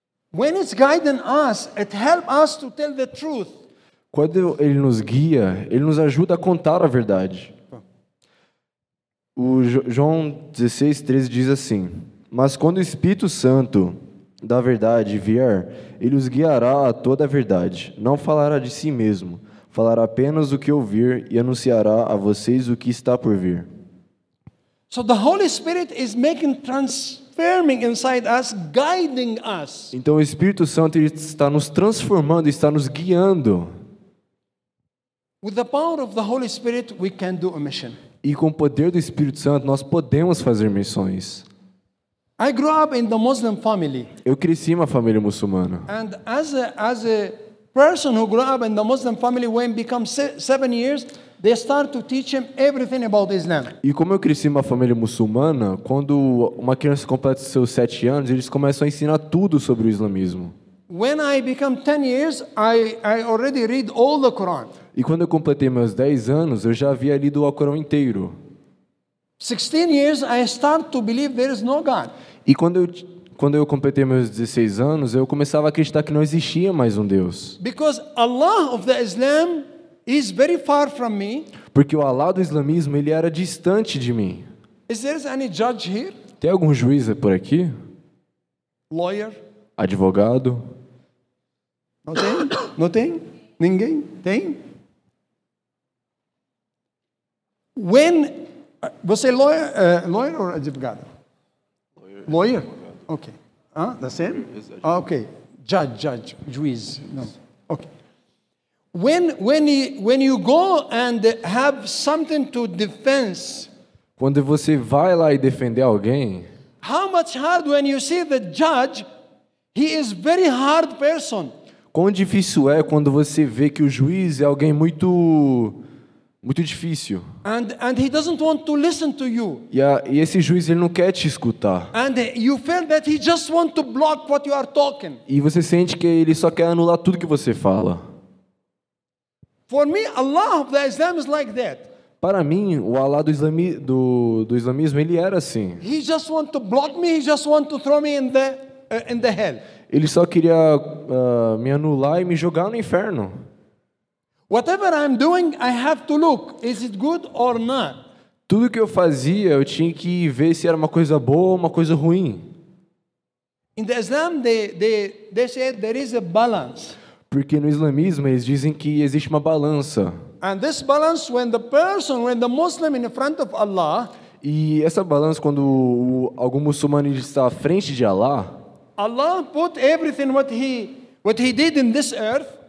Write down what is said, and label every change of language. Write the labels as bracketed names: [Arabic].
[English] When it's guiding us, it helps us to tell the truth. [Portuguese] Quando ele nos guia, ele nos ajuda a contar a verdade. O João 16, 13 diz assim: mas quando o Espírito Santo da verdade vier, ele os guiará a toda a verdade. Não falará de si mesmo, falará apenas o que ouvir e anunciará a vocês o que está por vir. [English] So the Holy Spirit is making transforming inside us, guiding us. [Portuguese] Então o Espírito Santo está nos transformando, está nos guiando. [English] With the power of the Holy Spirit, we can do a mission. [Portuguese] E com o poder do Espírito Santo, nós podemos fazer missões. [English] I grew up in the Muslim family. [Portuguese] Eu cresci em uma família muçulmana. [English] And as a person who grew up in the Muslim family, when become 7 years, they start to teach him everything about Islam. [Portuguese] E como eu cresci em uma família muçulmana, quando uma criança completa seus 7 anos, eles começam a ensinar tudo sobre o islamismo. [English] When I become 10 years, I already read all the Quran. [Portuguese] E quando eu completei meus 10 anos, eu já havia lido o Alcorão inteiro. [English] 16 years, I start to believe there is no God. [Portuguese] E quando eu completei meus 16 anos, eu começava a acreditar que não existia mais um Deus. [English] Because Allah of the Islam is very far from me. [Portuguese] Porque o Allah do islamismo, ele era distante de mim. [English] Is there any judge here? [Portuguese] Tem algum juiz por aqui? [English] Lawyer? [Portuguese] Advogado? Não tem? Não tem? Ninguém? Tem? [English] When você lawyer or advogado? Lawyer. Okay. Ah, the same? Ah, okay. Judge, juiz. No. Okay. When you go and have something to defense. [Portuguese] Quando você vai lá e defender alguém? [English] How much hard when you see the judge? He is very hard person. [Portuguese] Quão difícil é quando você vê que o juiz é alguém muito muito difícil. [English] And he doesn't want to listen to you. [Portuguese] E esse juiz ele não quer te escutar. [English] And you feel that he just want to block what you are talking. [Portuguese] E você sente que ele só quer anular tudo que você fala. [English] For me, Allah of the Islam is like that. [Portuguese] Para mim, o Allah do islamismo ele era assim. [English] He just want to block me. He just want to throw me in the hell. [Portuguese] Ele só queria me anular e me jogar no inferno. [English] Whatever I'm doing, I have to look. Is it good or not? [Portuguese] Tudo que eu fazia, eu tinha que ver se era uma coisa boa ou uma coisa ruim. [English] In the Islam, they say there is a balance. [Portuguese] Porque no islamismo, eles dizem que existe uma balança. [English] And this balance, when the Muslim in front of Allah. [Portuguese] E essa balança, quando algum muçulmano está à frente de Allah. [English] Allah put everything what he did in this earth.